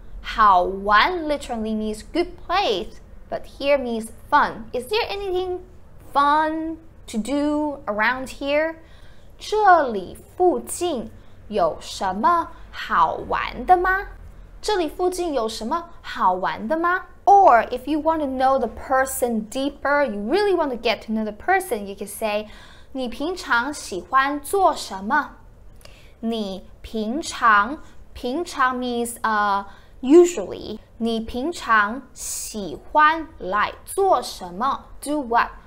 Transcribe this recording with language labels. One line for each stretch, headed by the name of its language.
English: 好玩 literally means good place, but here means fun. Is there anything fun to do around here?
Chinese: 这里附近有什么好玩的吗? 这里附近有什么好玩的吗?
English: Or if you want to know the person deeper, you really want to get to know the person, you can say,
Chinese: 你平常喜欢做什么? 你平常,平常
English: means, Usually,
Chinese: 你平常喜欢来做什么?
English: Do what?